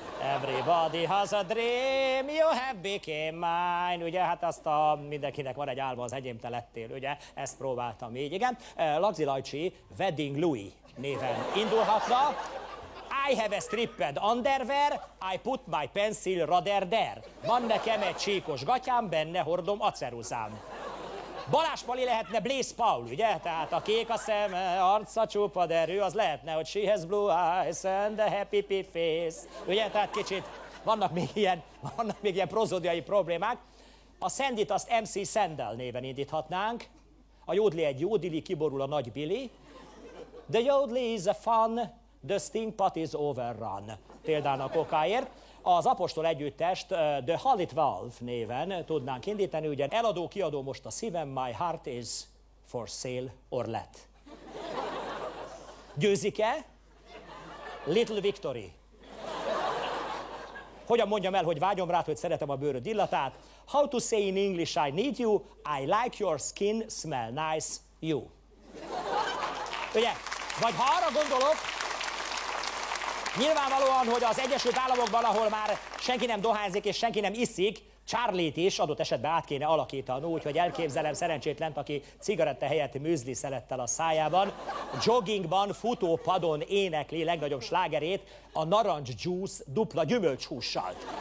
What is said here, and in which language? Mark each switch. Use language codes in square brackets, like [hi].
[en] Everybody has a dream, you have became mine. [hu] Ugye, hát azt a mindenkinek van egy álma, az enyém te lettél, ugye? Ezt próbáltam így, igen. Lagzi Lajcsi, Wedding Louis néven indulhatna. [en] I have a stripped underwear, I put my pencil rather there. [hu] Van nekem egy csíkos gatyám, benne hordom a ceruzám. Balázs Pali lehetne Blaise Paul, ugye? Tehát a kék a szeme, arca csupa derű, az lehetne, hogy [en] she has blue eyes and a happy face. [hu] Ugye? Tehát kicsit vannak még ilyen prozódiai problémák. A Sandit azt MC Sandel néven indíthatnánk. A Jódli egy Jódili, kiborul a Nagy Billy. [en] The Jódli is a fun, the sting part is overrun. [hu] Példának okáért. Az Apostol együttest The Hallit Valve néven tudnánk indítani, ugye eladó, kiadó most a szívem, [en] my heart is for sale or let. [hu] Győzik-e? [en] Little Victory. [hu] Hogyan mondjam el, hogy vágyom rád, hogy szeretem a bőröd illatát? [en] How to say in English I need you, I like your skin, smell nice, you. [hu] Ugye? Vagy ha arra gondolok, nyilvánvalóan, hogy az Egyesült Államokban, ahol már senki nem dohányzik és senki nem iszik, Charlie-t is adott esetben át kéne alakítani, úgyhogy elképzelem szerencsétlent, aki cigaretta helyett műzli szelettel a szájában, joggingban, futópadon énekli legnagyobb slágerét, a narancs juice dupla gyümölcshússal.